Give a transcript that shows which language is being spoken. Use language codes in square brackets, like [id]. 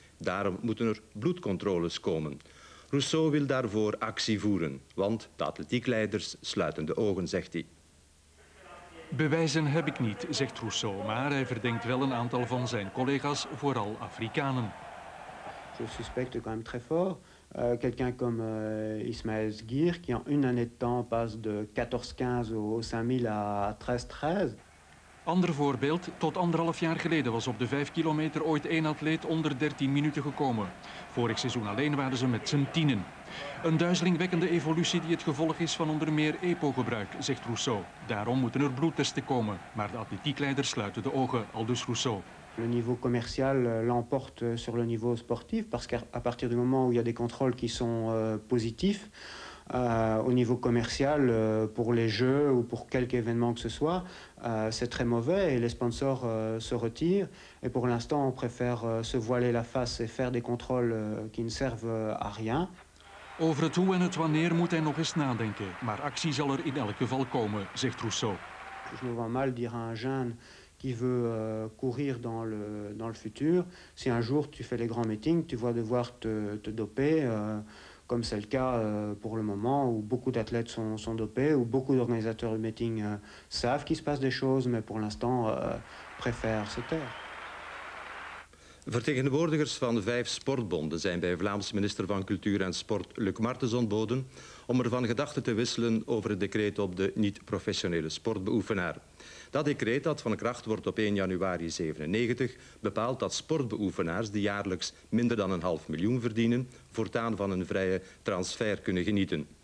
[nl] Daarom moeten er bloedcontroles komen. Rousseau wil daarvoor actie voeren, want de atletiekleiders sluiten de ogen, zegt hij. Bewijzen heb ik niet, zegt Rousseau, maar hij verdenkt wel een aantal van zijn collega's, vooral Afrikanen. [fr] Je suspecte quand même très fort quelqu'un comme Ismaël Sgir qui en une année de temps passe de 14-15 au 5000 à 13-13. [nl] Ander voorbeeld, tot anderhalf jaar geleden was op de 5 kilometer ooit één atleet onder 13 minuten gekomen. Vorig seizoen alleen waren ze met z'n tienen. Een duizelingwekkende evolutie die het gevolg is van onder meer EPO-gebruik, zegt Rousseau. Daarom moeten er bloedtesten komen. Maar de atletiekleiders sluiten de ogen, aldus Rousseau. [fr] Le niveau commercial l'emporte sur le niveau sportif, parce qu'à partir du moment où il y a des contrôles qui sont positifs, au niveau commercial, pour les jeux ou pour quelque événement que ce soit, c'est très mauvais et les sponsors se retirent. Et pour l'instant, on préfère se voiler la face et faire des contrôles qui ne servent à rien. [nl] Over het hoe en het wanneer moet hij nog eens nadenken, maar actie zal er in elk geval komen, zegt Rousseau. [fr] Je me vois mal dire à un jeune qui veut courir dans le futur, si un jour tu fais les grands meetings, tu vas devoir te doper, comme c'est le cas pour le moment, où beaucoup d'athlètes sont dopés, où beaucoup d'organisateurs de meetings savent qu'il se passe des choses, mais pour l'instant préfèrent se taire. [nl] Vertegenwoordigers van vijf sportbonden zijn bij Vlaams minister van Cultuur en Sport Luc Martens ontboden om ervan gedachten te wisselen over het decreet op de niet-professionele sportbeoefenaar. Dat decreet, dat van kracht wordt op 1 januari 1997, bepaalt dat sportbeoefenaars die jaarlijks minder dan een half miljoen verdienen, voortaan van een vrije transfer kunnen genieten.